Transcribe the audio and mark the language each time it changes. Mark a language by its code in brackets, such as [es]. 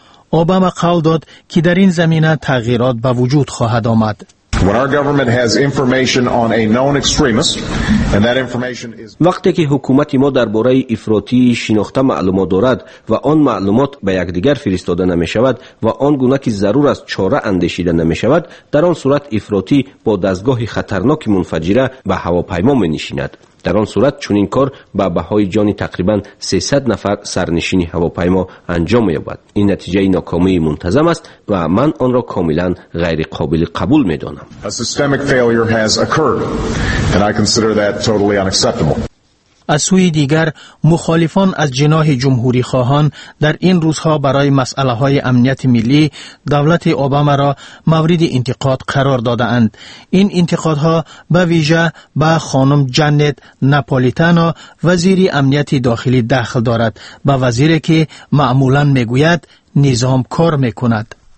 [fa] اوباما قول داد که در این زمینه تغییرات به وجود خواهد آمد. [en] When our government has information on a known extremist and that information is [fa] وقتی که حکومت ما درباره افراطی شناخته معلومات دارد و آن معلومات به یکدیگر فرستاده نمی‌شود و آن گونه که ضرور است چاره اندیشیده نمی‌شود، در آن صورت افراطی با دستگاه خطرناک منفجره به هواپیما می‌نشیند. در آن صورت چنین کار با بهای جان تقریبا 300 نفر سرنشین هواپیما انجام می‌یابد. این نتیجه ناکامی منتظم است و من آن را کاملا غیر قابل قبول می‌دانم. [en] A systemic failure has occurred and I consider that totally unacceptable. [fa] از سوی دیگر مخالفان از جناح جمهوری خواهان در این روزها برای مسئله های امنیت ملی دولت اوباما را مورد انتقاد قرار داده اند. این انتقادها به ویژه به خانم جنت ناپولیتانو وزیر امنیت داخلی دخل دارد، به وزیری که معمولا میگوید نظام کار میکند.